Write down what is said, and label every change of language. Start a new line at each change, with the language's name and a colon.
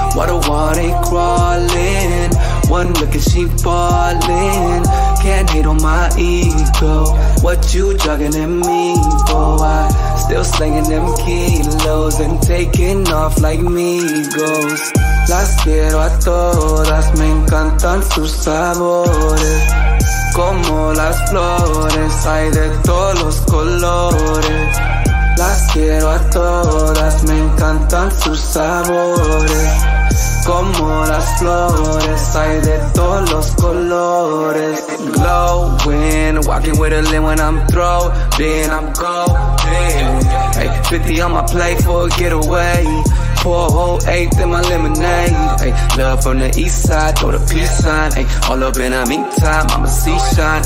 English: Why the water ain't crawling? One look and she falling. Can't hate on my ego. What you jogging at me for? I still slinging them kilos and taking off like Migos.
Spanish: Las quiero a todas, me encantan sus sabores. Como las flores, hay de todos los colores. Las quiero a todas, me encantan sus sabores. Como las flores, hay de todos los colores.
English: Glowing, walking with a limb when I'm throwing, I'm going. Hey, 50 on my plate for a getaway. Pour a whole eighth in my lemonade. Ay, love from the east side, throw the peace sign. Ay, all up in the meantime, I'ma see shine.